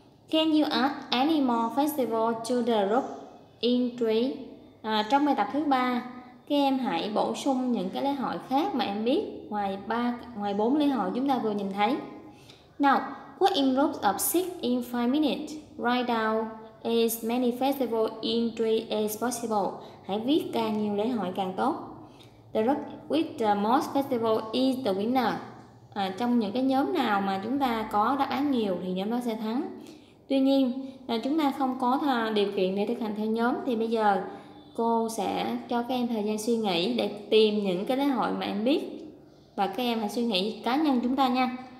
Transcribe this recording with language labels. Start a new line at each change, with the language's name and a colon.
English: Can you add any more festival to the group in 3?
Vietnamese: Trong bài tập thứ 3, các em hãy bổ sung những cái lễ hội khác mà em biết ngoài 4 lễ hội chúng ta vừa nhìn thấy.
English: Now, what in groups of 6 in 5 minutes? Write down as many festival in 3 as possible.
Vietnamese: Hãy viết càng nhiều lễ hội càng tốt.
English: The group with the most festival is the winner.
Vietnamese: Trong những cái nhóm nào mà chúng ta có đáp án nhiều thì nhóm đó sẽ thắng. Tuy nhiên là chúng ta không có điều kiện để thực hành theo nhóm, thì bây giờ cô sẽ cho các em thời gian suy nghĩ để tìm những cái lễ hội mà em biết, và các em hãy suy nghĩ cá nhân chúng ta nha.